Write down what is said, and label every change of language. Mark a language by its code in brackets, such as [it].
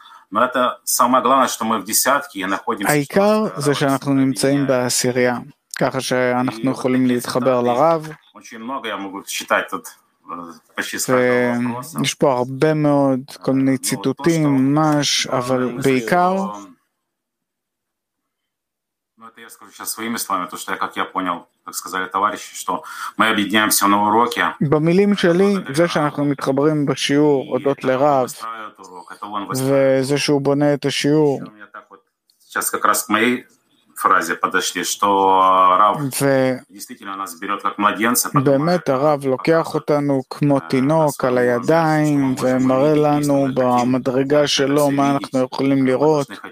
[ru] Но это самое главное, что мы в десятке и находимся. [he] העיקר זה שאנחנו נמצאים בעשירייה, ככה שאנחנו יכולים להתחבר לרב. [ru] Очень много я могу считать тут почти сколько вопросов. [he] יש פה הרבה מאוד כל מיני ציטוטים, ממש, אבל בעיקר... [ru] Но это я скажу сейчас своими словами, то, что я, как я понял, так сказали товарищи, что мы объединяемся на уроке. [he] במילים שלי, זה שאנחנו מתחברים בשיעור, אודות לרב, וזה שהוא בונה את השיעור. [ru] Сейчас как раз к моей фразе подошли, что Рав действительно нас берет как младенца. [he] באמת, הרב לוקח אותנו כמו תינוק על הידיים, ומראה לנו במדרגה שלו מה אנחנו יכולים לראות.